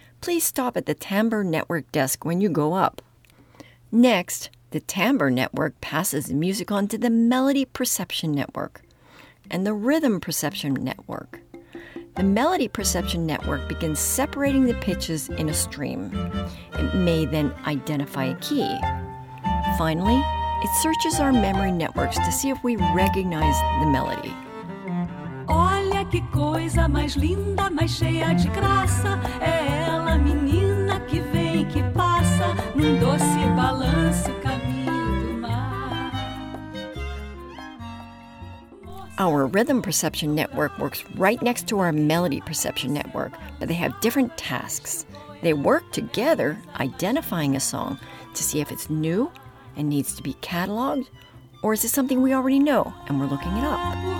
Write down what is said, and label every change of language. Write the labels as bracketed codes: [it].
[en] Please stop at the timbre network desk when you go up. Next, the timbre network passes music on to the melody perception network and the rhythm perception network. The melody perception network begins separating the pitches in a stream. It may then identify a key. Finally, it searches our memory networks to see if we recognize the melody. [pt] Olha que coisa mais linda, mais cheia de graça. É ela, menina que vem, que passa, num doce balanço, caminho do mar. [en] Our rhythm perception network works right next to our melody perception network, but they have different tasks. They work together identifying a song to see if it's new and needs to be cataloged, or is it something we already know and we're looking it up.